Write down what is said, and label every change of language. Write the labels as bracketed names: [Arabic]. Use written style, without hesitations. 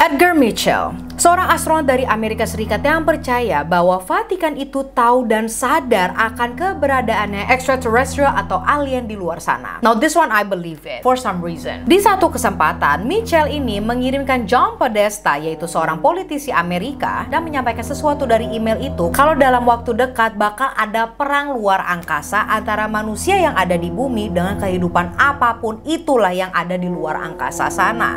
[Indonesian] Edgar Mitchell, seorang astronot dari Amerika Serikat yang percaya bahwa Vatikan itu tahu dan sadar akan keberadaannya extraterrestrial atau alien di luar sana. [English] Now this one I believe it, for some reason. [Indonesian] Di satu kesempatan, Mitchell ini mengirimkan John Podesta, yaitu seorang politisi Amerika, dan menyampaikan sesuatu dari email itu, kalau dalam waktu dekat bakal ada perang luar angkasa antara manusia yang ada di bumi dengan kehidupan apapun itulah yang ada di luar angkasa sana.